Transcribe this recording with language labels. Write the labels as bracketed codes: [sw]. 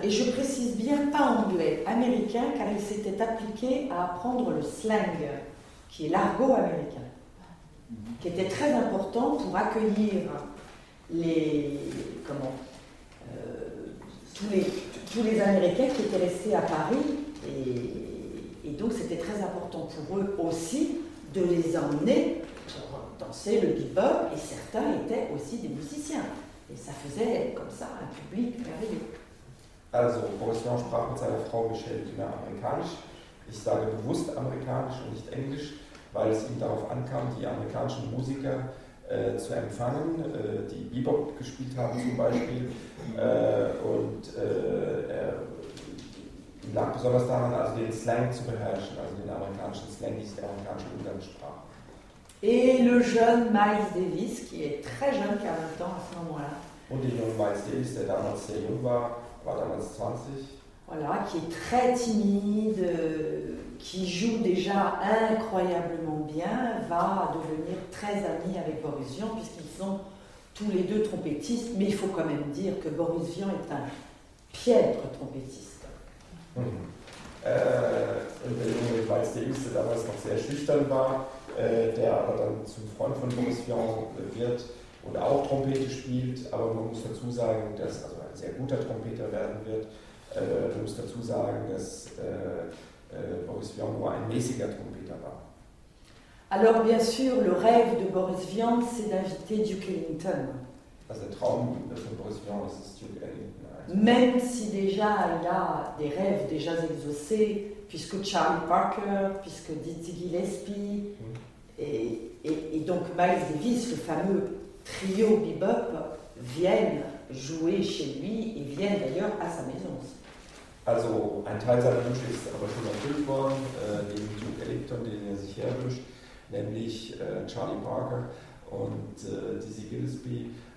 [fr] Et je précise bien, pas anglais, américain, car il s'était appliqué à apprendre le slang, qui est l'argot américain, qui était très important pour accueillir tous les Américains qui étaient restés à Paris. Et donc, c'était très important pour eux aussi de les emmener danser le bebop et certains étaient aussi des musiciens et ça faisait comme ça un public merveilleux. [de] Also Boris Vian sprach mit seiner Frau Michelle immer amerikanisch, ich sage bewusst amerikanisch und nicht englisch, weil es ihm darauf ankam, die amerikanischen Musiker zu empfangen, die Bebop gespielt haben zum Beispiel. Ihm lag besonders daran, also den Slang zu beherrschen, also den amerikanischen Slang, nicht die amerikanische Umgangssprache. [fr] Et le jeune Miles Davis, qui est très jeune, qui a 20 ans à ce moment-là. [de] Und der junge Miles Davis, der damals sehr jung war, war damals 20. [fr] Voilà, qui est très timide, qui joue déjà incroyablement bien, va devenir très ami avec Boris Vian, puisqu'ils sont tous les deux trompettistes, mais il faut quand même dire que Boris Vian est un piètre trompettiste. [de] Und der junge Miles Davis, der damals noch sehr schüchtern war, der aber dann zum Freund von Boris Vian wird und auch Trompete spielt, aber man muss dazu sagen, dass er also ein sehr guter Trompeter werden wird. Man muss dazu sagen, dass Boris Vian nur ein mäßiger Trompeter war. [fr] Alors bien sûr, le rêve de Boris Vian, c'est d'inviter Duke Ellington. [de] Also der Traum von Boris Vian ist es, Duke Ellington. [fr] Même si déjà il a des rêves déjà exaucés, puisque Charlie Parker, puisque Dizzy Gillespie, et donc Miles Davis, le fameux trio bebop, viennent jouer chez lui et viennent d'ailleurs à sa maison. [de] Also, ein Teil seiner Wünsche ist aber schon erfüllt worden, neben Duke Ellington, den er sich herwünscht, nämlich Charlie Parker und Dizzy Gillespie.